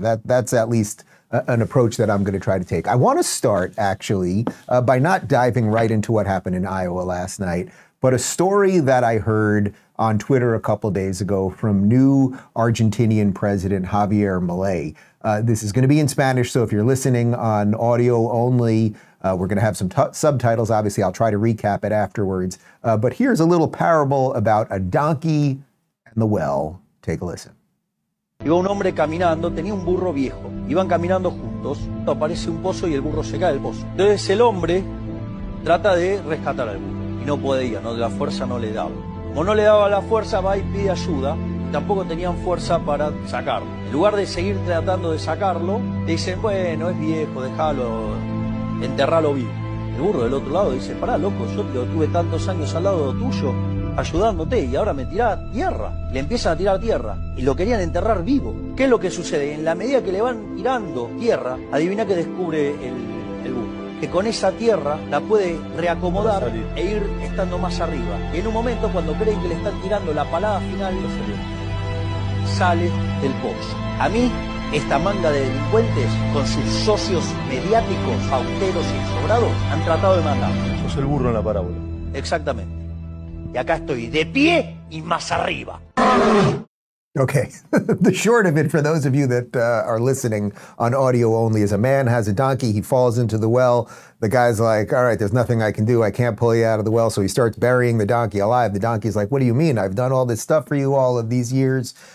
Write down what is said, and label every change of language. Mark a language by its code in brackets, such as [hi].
[en] That's at least an approach that I'm gonna try to take. I wanna start, actually, by not diving right into what happened in Iowa last night, but a story that I heard on Twitter a couple days ago from new Argentinian president Javier Milei. This is gonna be in Spanish, so if you're listening on audio only, we're gonna have some subtitles, obviously. I'll try to recap it afterwards. But here's a little parable about a donkey and the well. Take a listen. [es] Iba un hombre caminando, tenía un burro viejo. Iban caminando juntos, aparece un pozo y el burro se cae del pozo. Entonces el hombre trata de rescatar al burro y no podía, no, la fuerza no le daba. Como no le daba la fuerza, va y pide ayuda. Tampoco tenían fuerza para sacarlo. En lugar de seguir tratando de sacarlo, le dicen, bueno, es viejo, déjalo, enterralo vivo. El burro del otro lado dice, pará, loco, yo lo tuve tantos años al lado tuyo, ayudándote, y ahora me tira tierra. Le empiezan a tirar tierra, y lo querían enterrar vivo. ¿Qué es lo que sucede? En la medida que le van tirando tierra, adivina qué descubre el burro. Que con esa tierra la puede reacomodar e ir estando más arriba. Y en un momento, cuando creen que le están tirando la palada final, sale del pozo. A mí, esta manga de delincuentes, con sus socios mediáticos, fauteros y sobrados, han tratado de matarme. Sos el burro en la parábola. Exactamente. Y acá estoy de pie y más arriba. [en] Okay, the short of it for those of you that are listening on audio only is a man has a donkey, he falls into the well. The guy's like, all right, there's nothing I can do. I can't pull you out of the well. So he starts burying the donkey alive. The donkey's like, what do you mean? I've done all this stuff for you all of these years.